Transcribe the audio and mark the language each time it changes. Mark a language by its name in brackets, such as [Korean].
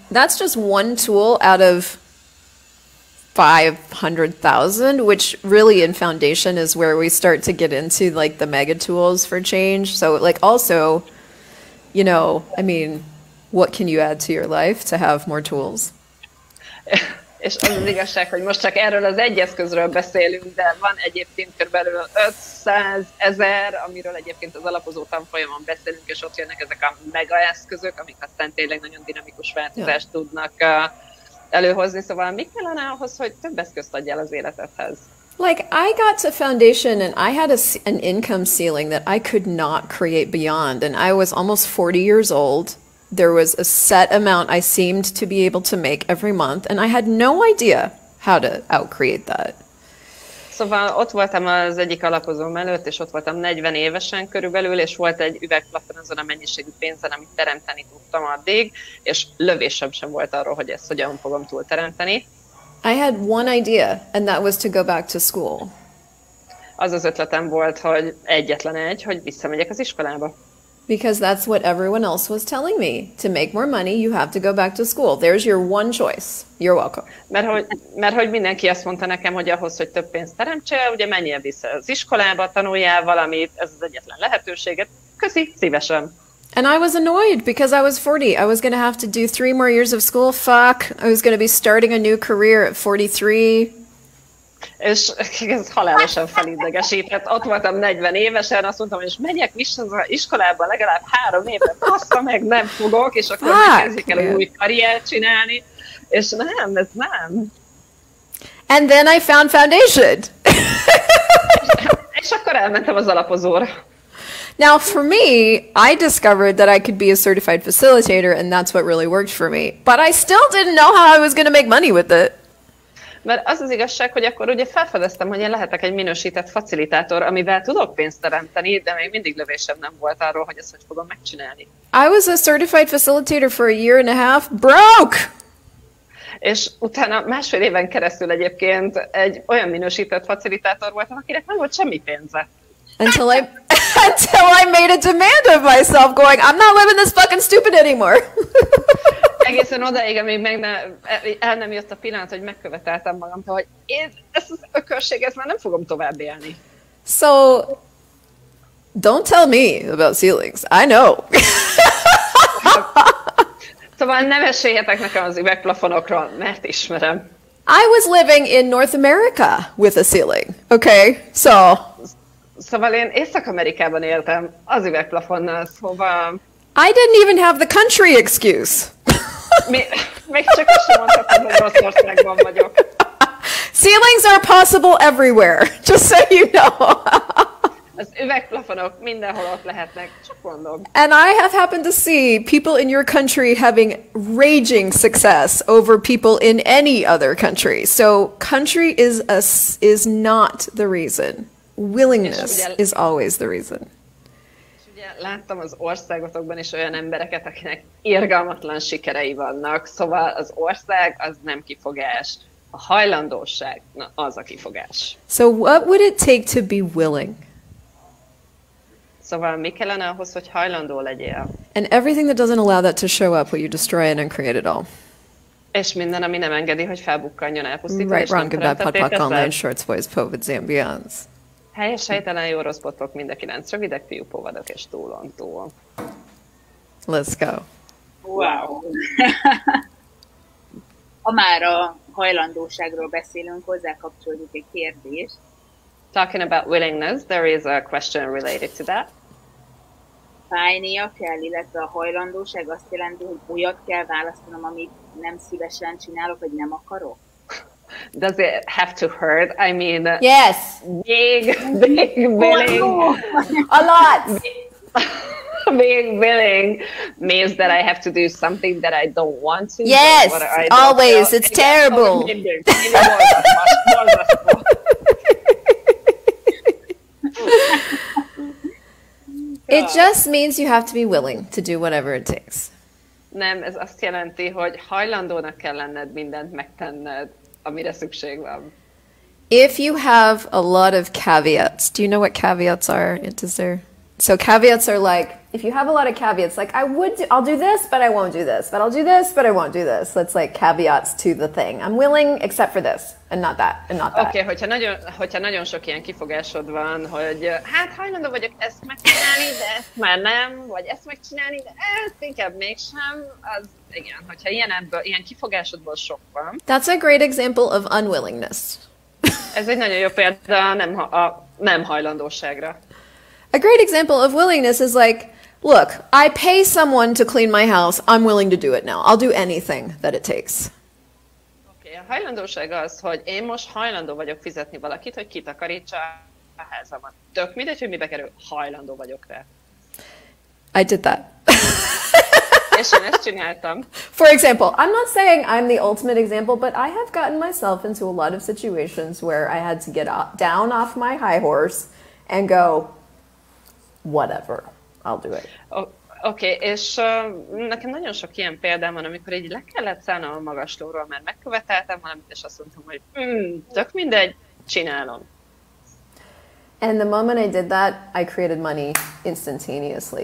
[English] That's just one tool out of 500,000, which really in foundation is where we start to get into like the mega tools for change. So like also, you know, I mean, what can you add to your life to have more tools? [Hungarian] És az az igazság, hogy most csak erről az egy eszközről beszélünk, de van egyébként körülbelül 500 000, amiről egyébként az alapozó tanfolyamon beszélünk, és ott jönnek ezek a mega eszközök, amik aztán tényleg nagyon dinamikus változást tudnak előhozni, szóval mit kellene ahhoz, hogy több eszközt adjál az életedhez? [English] Like, I got to foundation and I had an income ceiling that I could not create beyond. And I was almost 40 years old. There was a set amount I seemed to be able to make every month. And I had no idea how to outcreate that. [Hungarian] Szóval ott voltam az egyik alapozóm előtt, és ott voltam 40 évesen körülbelül, és volt egy üvegplafon azon a mennyiségű pénzen, amit teremteni tudtam addig, és lövésem sem volt arról, hogy ezt hogyan fogom túlteremteni. [English] I had one idea, and that was to go back to school. [Hungarian] Az az ötletem volt, hogy egyetlen egy, hogy visszamegyek az iskolába. [English] Because that's what everyone else was telling me. To make more money, you have to go back to school. There's your one choice. You're welcome. [Hungarian] Mert hogy mindenki azt mondta nekem, hogy ahhoz, hogy több pénzt teremtsél, ugye menjél vissza az iskolába, tanuljál valamit, ez az egyetlen lehetőséget. Köszi, szívesen. [English] And I was annoyed because I was 40. I was going to have to do 3 more years of school. Fuck. I was going to be starting a new career at 43. [Hungarian] És ez halálosan felidegesített. Ott voltam 40 évesen, azt mondtam, és menjek vissza az iskolába legalább 3 évre. Passza meg, nem fogok, és akkor kezdjük el új karriert csinálni. És nem, ez nem. [English] And then I found foundation. [Hungarian] És akkor elmentem az alapozóra. [English] Now, for me, I discovered that I could be a certified facilitator, and that's what really worked for me. But I still didn't know how I was going to make money with it. [Hungarian] Mert az az igazság, hogy akkor ugye felfedeztem, hogy én lehetek egy minősített facilitátor, amivel tudok pénzt teremteni, de még mindig lövésem nem volt arról, hogy ezt hogy fogom megcsinálni. [English] I was a certified facilitator for a year and a half, broke! [Hungarian] És utána másfél éven keresztül egyébként egy olyan minősített facilitátor voltam, akinek nem volt semmi pénze. [English] Until I made a demand of myself, going, I'm not living this fucking stupid anymore. [Hungarian] Egészen odaig, amíg el nem jött a pillanat, hogy megköveteltem magam, hogy ez az ökörség, ezt már nem fogom tovább élni. [English] So, don't tell me about ceilings. I know. [Hungarian] Szóval ne meséljetek nekem az üvegplafonokról, mert ismerem. [English] I was living in North America with a ceiling, okay? So... [Hungarian] Szóval én Észak-Amerikában éltem, az üvegplafonnal, szóval... [English] I didn't even have the country excuse. [Hungarian] Még csak azt sem mondhatom, hogy Oroszországban vagyok. [English] Ceilings are possible everywhere, just so you know. [Hungarian] Az üvegplafonok mindenhol ott lehetnek, csak mondom. [English] And I have happened to see people in your country having raging success over people in any other country. So country is not the reason. Willingness is always the reason. [Hungarian] És ugye láttam az országotokban is olyan embereket, akinek irgalmatlan sikerei vannak, szóval az ország az nem kifogás, a hajlandóság na, az a kifogás. [English] So what would it take to be willing? [Hungarian] Szóval mi kellene ahhoz, hogy hajlandó legyél? [English] And everything that doesn't allow that to show up, will you destroy it and create it all? [Hungarian] És minden, ami nem engedi, hogy felbukkanjon, elpusztítani. [English] Right, wrong, good, bad, pot, pot, online, shorts, boys, povids, ambience. [Hungarian] Helyes, helytelen, jó, rossz, botlok, mind a 9 rövidek, fiú, povadok és túlontúl. [English] Let's go. Wow. [Hungarian] Ha már a hajlandóságról beszélünk, hozzá kapcsolódik egy kérdés. [English] Talking about willingness, there is a question related to that. [Hungarian] Fájnia kell, illetve a hajlandóság azt jelenti, hogy olyat kell választanom, amit nem szívesen csinálok, vagy nem akarok. [English] Does it have to hurt? I mean, yes. Being willing. A lot. Being willing means that I have to do something that I don't want to. Yes, always. It's terrible. It just means you have to be willing to do whatever it takes. [Hungarian] Nem, ez azt jelenti, hogy hajlandónak kell lenned mindent megtenned. Amire szükség van. [English] If you have a lot of caveats, do you know what caveats are? Is there? So caveats are like, if you have a lot of caveats, like I'll do this, but I won't do this, but I'll do this, but I won't do this. That's like caveats to the thing. I'm willing except for this and not that and not that. [Hungarian] Okay, hogyha nagyon sok ilyen kifogásod van, hogy hát hajlandó vagyok ezt megcsinálni, de ezt már nem, vagy ezt megcsinálni, de ezt inkább mégsem, az igen, hogyha ilyen kifogásodból sok van. [English] That's a great example of unwillingness. [Hungarian] Ez egy nagyon jó példa nem hajlandóságra. [English] A great example of willingness is like, look, I pay someone to clean my house, I'm willing to do it now. I'll do anything that it takes. [Hungarian] Én hajlandóság az, hogy én most hajlandó vagyok fizetni valakit, hogy kitakarítsa a házamat. Tök mindegy, hogy mibe kerül, hajlandó vagyok rá. [English] I did that. [Hungarian] És én ezt csináltam. [English] For example, I'm not saying I'm the ultimate example, but I have gotten myself into a lot of situations where I had to get down off my high horse and go, whatever, I'll do it. [Hungarian] Okay, és nekem nagyon sok ilyen példám van, amikor így le kellett szállnom a magaslóról, mert megköveteltem valamit, és azt mondtam, hogy tök mindegy, csinálom. [English] And the moment I did that, I created money instantaneously.